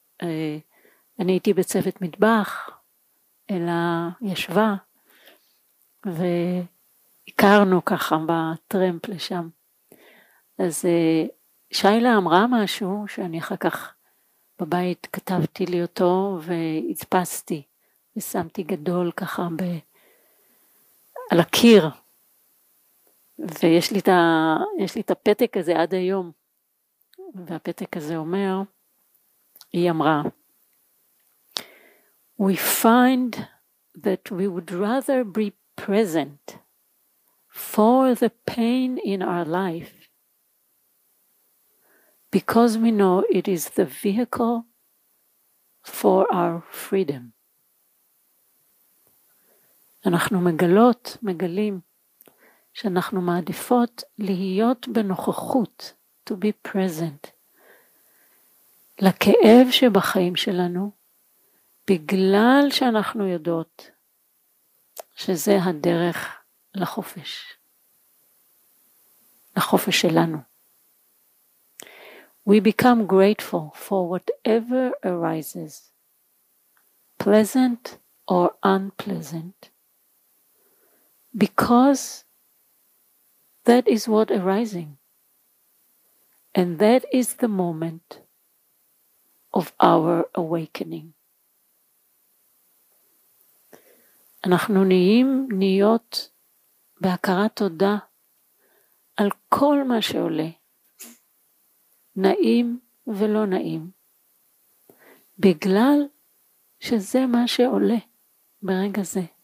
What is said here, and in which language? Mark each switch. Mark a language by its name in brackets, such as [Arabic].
[Hebrew] אני הייתי בצוות מטבח, אלא ישבה, והכרנו ככה בטרמפ לשם. אז שיילה אמרה משהו שאני אחר כך בבית כתבתי לי אותו והצפסתי. ושמתי גדול ככה על הקיר, ויש לי את הפתק הזה עד היום, והפתק הזה אומר, היא אמרה, [English] "We find that we would rather be present for the pain in our life, because we know it is the vehicle for our freedom." [Hebrew] אנחנו מגלים שאנחנו מעדיפות להיות בנוכחות, [English] to be present, [Hebrew] לכאב שבחיים שלנו, בגלל שאנחנו יודעות שזה הדרך לחופש, לחופש שלנו. [English] We become grateful for whatever arises, pleasant or unpleasant, because that is what arising, and that is the moment of our awakening. [Hebrew] אנחנו נהיות בהכרת תודה על כל מה שעולה, נעים ולא נעים, בגלל שזה מה שעולה ברגע זה.